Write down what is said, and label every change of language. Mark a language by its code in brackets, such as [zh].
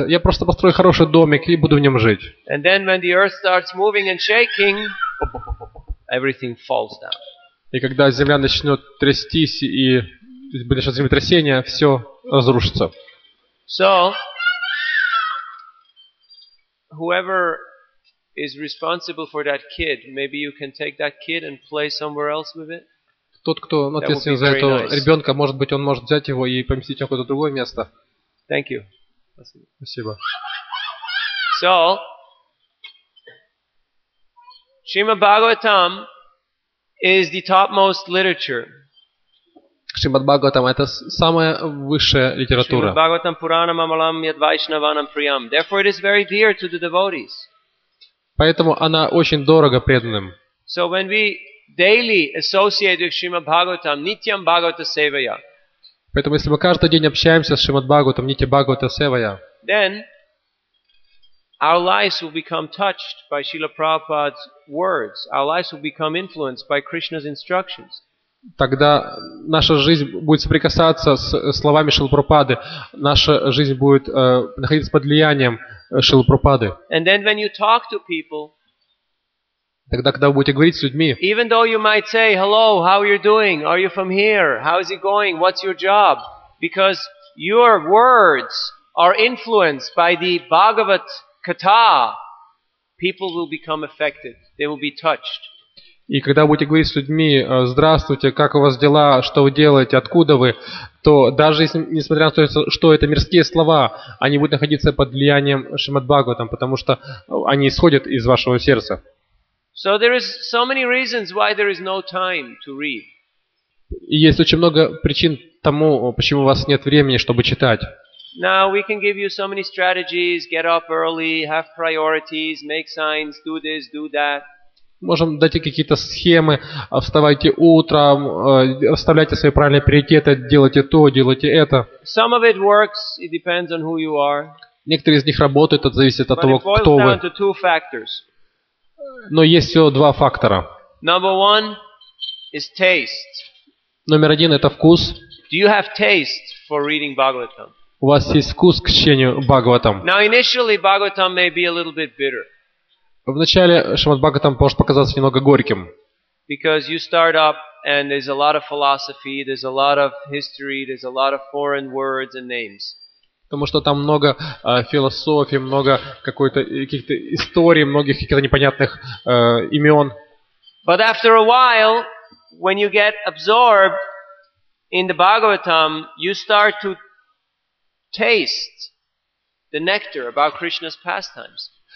[ru] Я просто построю хороший домик и буду в нем жить. [en] And then when the earth starts moving and shaking, everything falls down. [ru] И когда земля начнет трястись и будет сейчас землетрясение, все разрушится. [en] So, whoever is responsible for that kid. Maybe you can take that kid and play somewhere else with it. [ru] Тот, кто ответственен за этого ребенка, может быть, он может взять его и поместить его в какое-то другое место. [en] Thank you. [ru] Спасибо. [en] So, Srimad Bhagavatam is the topmost literature. [ru] Srimad Bhagavatam это самая высшая литература. [sa] Srimad Bhagavatam Puranam Amalam Yadvaishnavanam Priyam. [en] Therefore, it is very dear to the devotees. [ru] Поэтому она очень дорога преданным. [en] So when we daily associate with Srimad Bhagavatam, [sa] Nityam Bhagavata Sevaya. [ru] Поэтому если мы каждый день общаемся с Шримад Бхагаватам, [sa] Нитья Бхагавата Севая, [en] then our lives will become touched by Srila Prabhupada's words. Our lives will become influenced by Krishna's instructions. [ru] Тогда наша жизнь будет соприкасаться с словами Шрилы Прабхупады. Наша жизнь будет находиться под влиянием Шрилы Прабхупады. [en] And then when you talk to people, [ru] тогда, когда вы будете говорить с людьми, [en] even though you might say, hello, how are you doing? Are you from here? How is it going? What's your job? Because your words are influenced by the Bhagavat Katha, people will become affected. They will be touched. [ru] И когда вы будете говорить с людьми, здравствуйте, как у вас дела, что вы делаете, откуда вы, то даже если, несмотря на то, что это мирские слова, они будут находиться под влиянием Шримад Бхагаватам, потому что они исходят из вашего сердца. [en] So there is so many reasons why there is no time to read. [ru] Есть очень много причин тому, почему у вас нет времени, чтобы читать. [en] Now we can give you so many strategies, get up early, have priorities, make signs, do this, do that. [ru] Можем дать какие-то схемы, вставайте утром, оставляйте свои правильные приоритеты, делайте то, делайте это. [en] Some of it works, it depends on who you are. [ru] Некоторые из них работают, это зависит от того, кто вы. [en] But it boils down to two factors. [ru] Но есть всего два фактора. [en] Number one is taste. [ru] Номер один это вкус. [en] Do you have taste for reading Bhagavatam? [ru] У вас есть вкус к чтению Бхагаватам. [en] Now initially Bhagavatam may be a little bit bitter. [ru] Вначале Шримад Бхагаватам может показаться немного горьким. [en] Because you start up and there's a lot of philosophy, there's a lot of history, there's a lot of foreign words and names. [ru] Потому что там много философии, много какой-то каких-то историй, многих каких-то непонятных имен. [en] But after a while, when you get absorbed in the Bhagavatam, you start to taste the nectar about Krishna's pastimes.